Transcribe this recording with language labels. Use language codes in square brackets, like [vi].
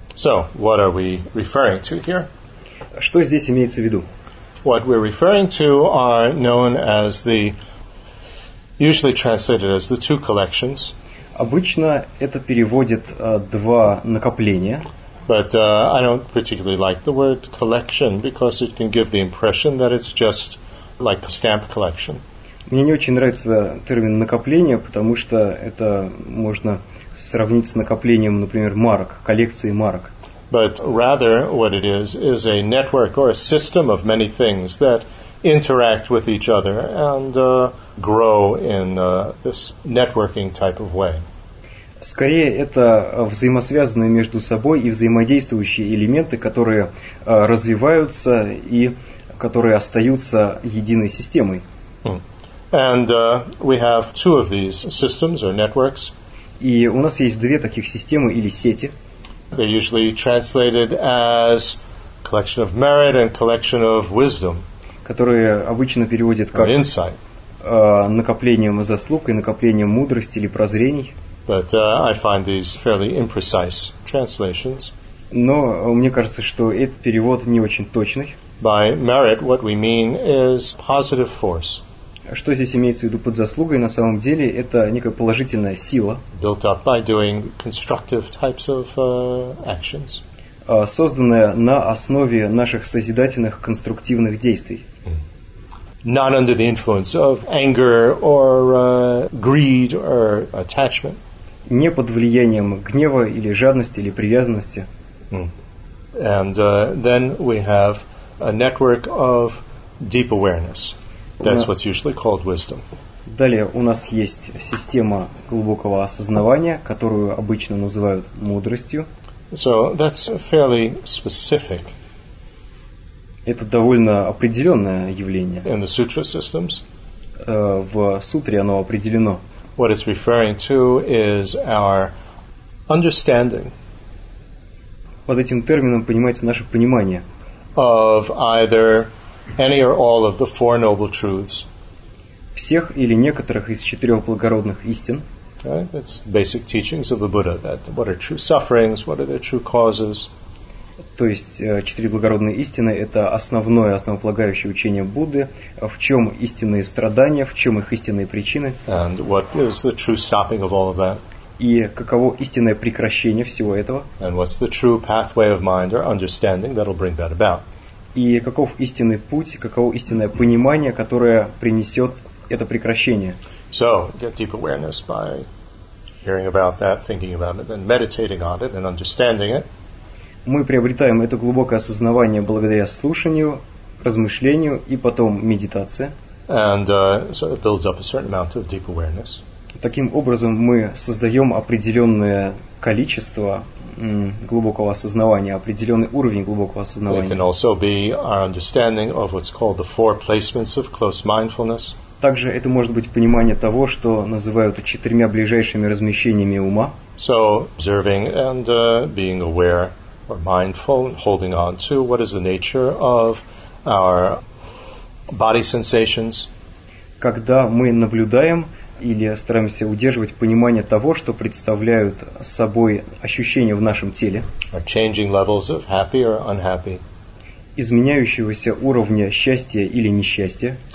[en] So, what are we referring to here? [ru] Что здесь имеется в виду? [en] What we're referring to are known as the usually translated as the two collections. [ru] Обычно это переводит два накопления. [en] But I don't particularly like the word collection because it can give the impression that it's just like a stamp collection. [ru] Мне не очень нравится термин накопление, потому что это можно сравнить с накоплением, например, марок, коллекции марок. [en] But rather what it is a network or a system of many things that interact with each other and grow in this networking type of way. [ru] Скорее это взаимосвязанные между собой и взаимодействующие элементы, которые развиваются и которые остаются единой системой. [en] And we have two of these systems or networks. [ru] И у нас есть две таких системы или сети. [en] They're usually translated as collection of merit and collection of wisdom. [ru] Которые обычно переводят как [en] insight. [ru] Накоплением заслуг и накоплением мудрости или прозрений. [en] But I find these fairly imprecise translations. [ru] Но мне кажется, что этот перевод не очень точный. [en] By merit, what we mean is positive force. [ru] Что здесь имеется в виду под заслугой? На самом деле это некая положительная сила, [en] built up by doing constructive types of actions, [ru] созданная на основе наших созидательных конструктивных действий. [en] Not under the influence of anger or greed or attachment. [ru] Не под влиянием гнева или жадности или привязанности. [en] And then we have a network of deep awareness. That's what's usually called wisdom. [ru] Далее у нас есть система глубокого осознавания, которую обычно называют мудростью. [en] So that's fairly specific. [ru] Это довольно определенное явление. [en] In the sutra systems. [ru] В сутре оно определено. [en] What it's referring to is our understanding. [ru] Под этим термином понимается наше понимание. [en] Of either any or all of the four noble truths. [ru] Всех или некоторых из четырех благородных истин. [en] Okay, that's basic teachings of the Buddha. That what are true sufferings? What are their true causes? [ru] То есть четыре благородные истины – это основное, основополагающее учение Будды. В чем истинные страдания, в чем их истинные причины? [en] And what is the true stopping of all of that? [ru] И каково истинное прекращение всего этого? [en] And what's the true pathway of mind or understanding that'll bring that about? [ru] И каков истинный путь, каково истинное понимание, которое принесет это прекращение? [en] So, get deep awareness by hearing about that, thinking about it, then meditating on it and understanding it. [ru] Мы приобретаем это глубокое осознавание благодаря слушанию, размышлению и потом медитации. [en] And, so it builds up a certain amount of deep awareness. [ru] Таким образом, мы создаем определенное количество глубокого осознавания, определенный уровень глубокого осознавания. [en] It can also be our understanding of what's called the four placements of close mindfulness. [ru] Также это может быть понимание того, что называют четырьмя ближайшими размещениями ума. [en] So, observing and being aware or mindful, holding on to what is the nature of our body sensations. [ru] Когда мы наблюдаем или стараемся удерживать понимание того, что представляют собой ощущения в нашем теле. [en] Or changing levels of happy or unhappy. [ru] Изменяющегося уровня счастья или несчастья.